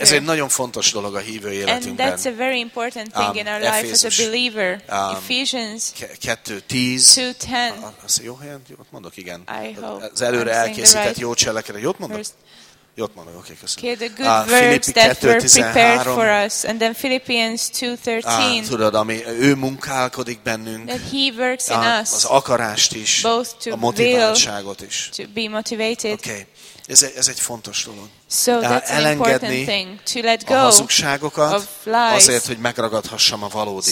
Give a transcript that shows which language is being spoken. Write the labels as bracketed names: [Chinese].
[Hungarian] Ez egy nagyon fontos dolog a hívő életünkben. [English] And that's a very important thing in our life as a believer. Ephesians 2:10. [Hungarian] Az jó helyen, jót mondok, igen. Az előre elkészített jó cselekedet. Jót mondok, oké, köszönöm. [English] Okay, the good verbs that were prepared for us. And then Philippians 2:13. [Hungarian] Tudod, ami ő munkálkodik bennünk. [English] That he works in us. [Hungarian] Az akarást is. [English] Both to [Hungarian] a motiváltságot is. [English] To be motivated. [Hungarian] Okay. Ez egy fontos dolog. [English] So that's [Hungarian] elengedni [English] an important thing, to let go [Hungarian] a hazugságokat [English] of lies. [Hungarian] Azért, hogy megragadhassam a valódit.